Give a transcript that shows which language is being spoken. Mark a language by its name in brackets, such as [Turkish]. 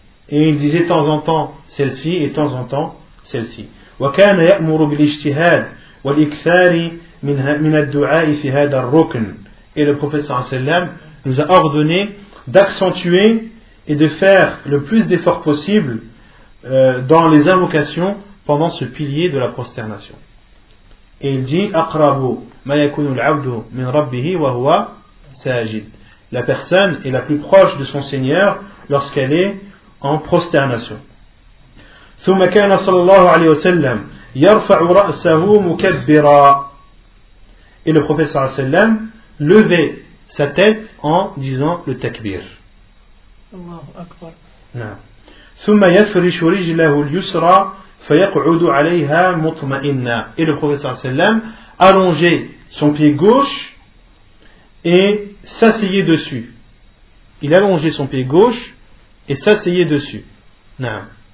[French] et il disait de temps en temps celle-ci et de temps en temps celle-ci [Arabic] وكان يأمر بالاجتهاد والاكثار من الدعاء في هذا الركن [French] et le prophète sallam nous a ordonné d'accentuer et de faire le plus d'efforts possible dans les invocations pendant ce pilier de la prosternation. Et il dit [Arabic] أقرب ما يكون العبد من ربه وهو ساجد. [French] La personne est la plus proche de son Seigneur lorsqu'elle est en prosternation. [Arabic] ثم كان صلى الله عليه وسلم يرفع رأسه مكبرا. [French] Et le prophète صلى الله عليه وسلم levait sa tête en disant le takbir. [Arabic] الله أكبر. نعم. ثم يفرش رجله اليسرى فيقعد عليها مطمئنا [French] et le prophète صلى الله عليه وسلم allongeait son pied gauche et s'asseyait dessus il allongeait son pied gauche et s'asseyait dessus نعم